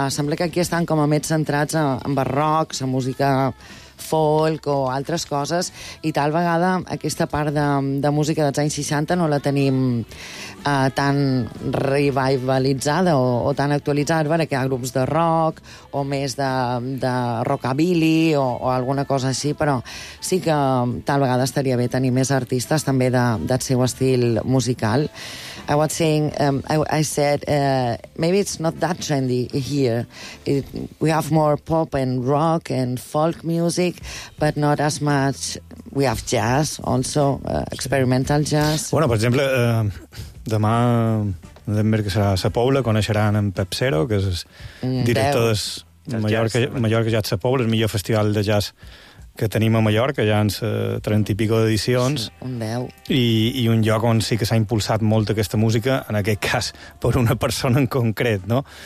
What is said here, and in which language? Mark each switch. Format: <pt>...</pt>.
<ca>Sembla que aquí estan com a més centrats en barrocs, en música folk o altres coses, i tal vegada aquesta part de música dels anys 60 no la tenim tan revivalitzada o tan actualitzada, perquè hi ha grups de rock o més de rockabilly o alguna cosa així, però sí que tal vegada estaria bé tenir més artistes també del seu estil musical.</ca> <en>I was saying, I said, maybe it's not that trendy here. We have more pop and rock and folk music, but not as much. We have jazz also, experimental jazz.</en> <ca>Bueno, per exemple, demà a Denver, que serà a Sa Pobla, coneixeran en Pep Cero, que és director de Mallorca Jazz Sa Pobla, el millor festival de jazz que tenim a Mallorca, ja en 30 i pico d'edicions. Sí, un 10. I un lloc on sí que s'ha impulsat molt aquesta música, en aquest cas per una persona en concret, no?</ca>